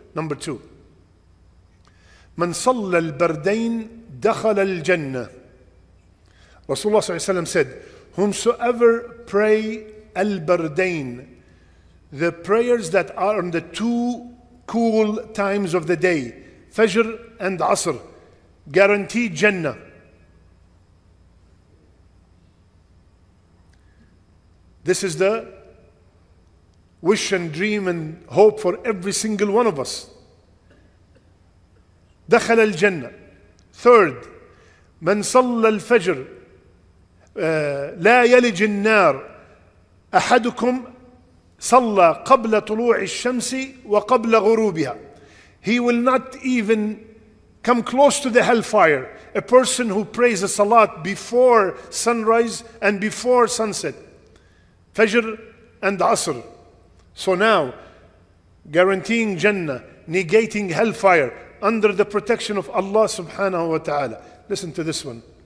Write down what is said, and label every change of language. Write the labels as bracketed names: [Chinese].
[English] Number two, [Arabic] من صلى البردين دخل الجنة. [English] Rasulullah Sallallahu Alaihi Wasallam said, whomsoever pray al-bardain, the prayers that are on the two cool times of the day, Fajr and Asr, guaranteed Jannah. This is the wish and dream and hope for every single one of us. [Arabic] دخل الجنة. [English] Third, [Arabic] من صلى الفجر لا يلج النار أحدكم صلى قبل طلوع الشمس وقبل غروبها. [English] He will not even come close to the hellfire. A person who prays a salat before sunrise and before sunset. Fajr and Asr. So now, guaranteeing Jannah, negating hellfire, under the protection of Allah subhanahu wa ta'ala. Listen to this one.